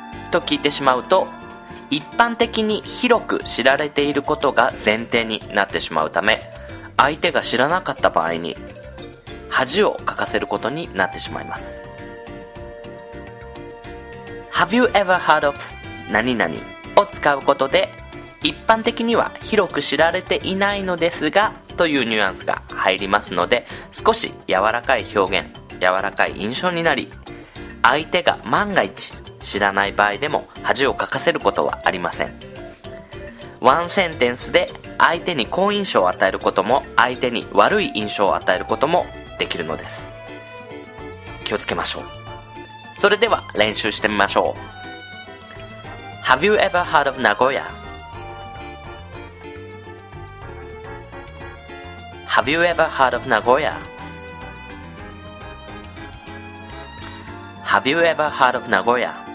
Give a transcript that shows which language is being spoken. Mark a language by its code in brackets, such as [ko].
[ja] と聞いてしまうと、一般的に広く知られていることが前提になってしまうため、相手が知らなかった場合に、恥をかかせることになってしまいます。 [en] Have you ever heard of 何々? [ja] を使うことで、一般的には広く知られていないのですが、というニュアンスが入りますので、少し柔らかい表現、柔らかい印象になり、相手が万が一知らない場合でも恥をかかせることはありません。ワンセンテンスで相手に好印象を与えることも、相手に悪い印象を与えることもできるのです。気をつけましょう。それでは練習してみましょう。 [en] Have you ever heard of 名古屋? Have you ever heard of Nagoya? Have you ever heard of Nagoya?